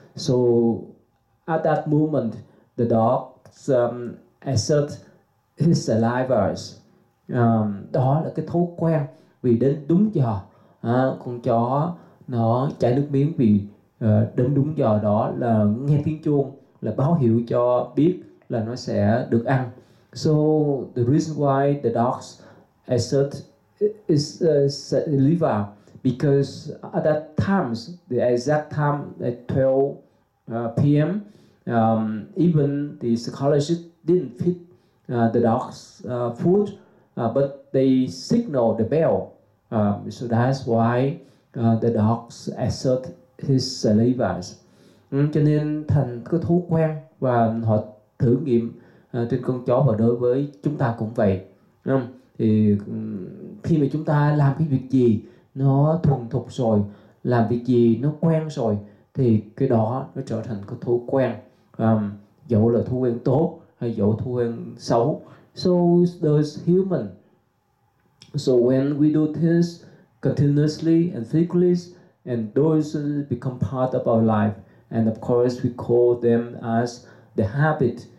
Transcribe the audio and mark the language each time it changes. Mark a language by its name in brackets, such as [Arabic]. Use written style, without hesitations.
[English] So at that moment, the dogs exert his saliva. [Vietnamese] Đó là cái thói quen vì đến đúng giờ, con chó nó chảy nước miếng vì đến đúng giờ đó là nghe tiếng chuông là báo hiệu cho biết là nó sẽ được ăn. [English] So the reason why the dogs exert is saliva because at that times, the exact time at 12 p.m. Even the psychologist didn't feed the dogs food, but they signaled the bell. So that's why the dogs exert his saliva. [Vietnamese] Cho nên thành cái thói quen và họ thử nghiệm trên con chó và đối với chúng ta cũng vậy. Thì khi mà chúng ta làm cái việc gì nó thuần thục rồi, làm việc gì nó quen rồi, thì cái đó nó trở thành cái thói quen, dẫu là thói quen tốt hay dẫu thói quen xấu. [English] So those human, so when we do things continuously and frequently, and those become part of our life, and of course we call them as the habit.